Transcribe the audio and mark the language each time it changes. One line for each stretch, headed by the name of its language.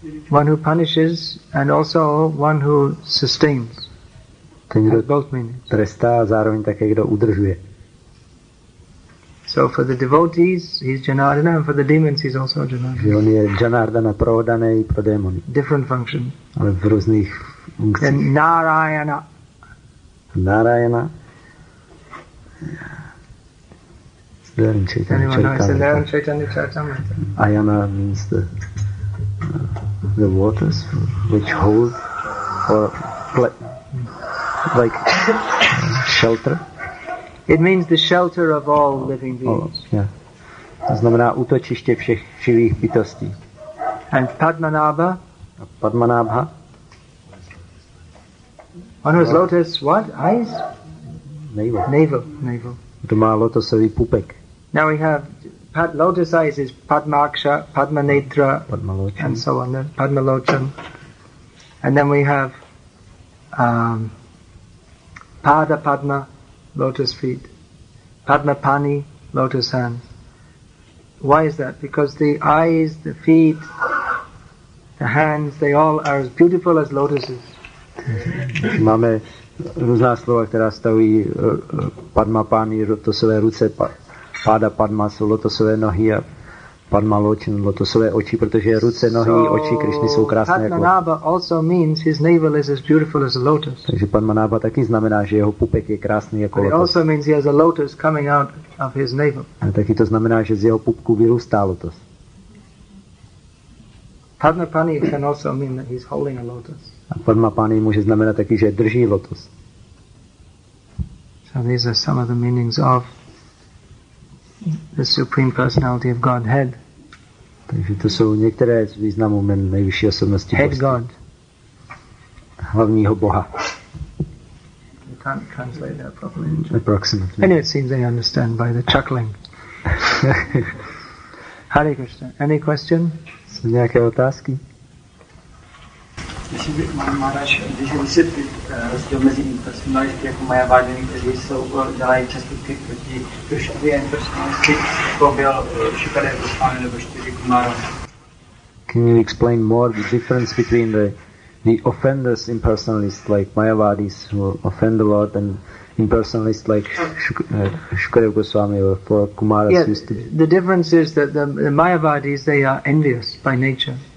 English: One who punishes and also one who sustains.
Czech: Ten, kdo both trestá a zároveň také, kdo udržuje.
English: So for the devotees, he's Janardana, and for the demons, he's also Janardana.
Czech: On je Janardana pro dané i pro démony.
English: Different function.
Czech: Ale v různých funkcích.
English: Then Narayana. Narayana. Zdarim Chaitanya. Ayana means the waters which hold or like shelter. It means the shelter of all living beings. Yeah.
Czech: To znamená útočiště všech živých bytostí.
English: And Padmanabha. Padmanabha. On whose lotus, what? Eyes?
Czech: Navel. Kdo má lotosový pupek.
English: Now we have lotus eyes is Padmaksha, Padmanetra, Padmalochan, and so on. Padmalochan. And then we have Pada Padma, lotus feet. Padma Pani, lotus hands. Why is that? Because the eyes, the feet, the hands, they all are as beautiful as lotuses.
Czech: Máme různá slova, která staví Padma Pani, lotosové ruce, Pada Padma, jsou lotosové nohy a Padma lotin, lotosové oči, protože ruce, nohy, oči Krišny jsou krásné.
English: Padmanabha also means his navel is as beautiful as a lotus.
Czech: Takže Padmanabha taky znamená, že jeho pupek je krásný jako lotos.
English: It also means he has a lotus coming out of his navel.
Czech: A taky to znamená, že z jeho pupku vyrůstá lotos.
English: Padmapani can also mean that he's holding a lotus.
Czech: A Padmapani může znamenat taky, že drží lotos.
English: So these are some of the meanings of the Supreme Personality of Godhead.
Czech: Takže to jsou některé z významů jmen nejvyšší osobnosti.
English: Head God.
Czech: Hlavního Boha.
English: You can't translate that properly. Approximately. Anyway, it seems they understand by the chuckling. Hare Krishna. Any question?
Czech: Jsou nějaké otázky? Když vysvětlit rozdíl mezi impersonality jako Maja Vádiny, kteří jsou, dělají často ty proti Krišnově impersonality, jako byl Šukadev Goswami nebo Štyři Kumára.
English: Can you explain more the difference between the offenders impersonalists like Mayavadis who offend the Lord and impersonalists like Shukadev Goswami or for Kumaras? Yeah, the difference is that the Mayavadis, they are envious by nature.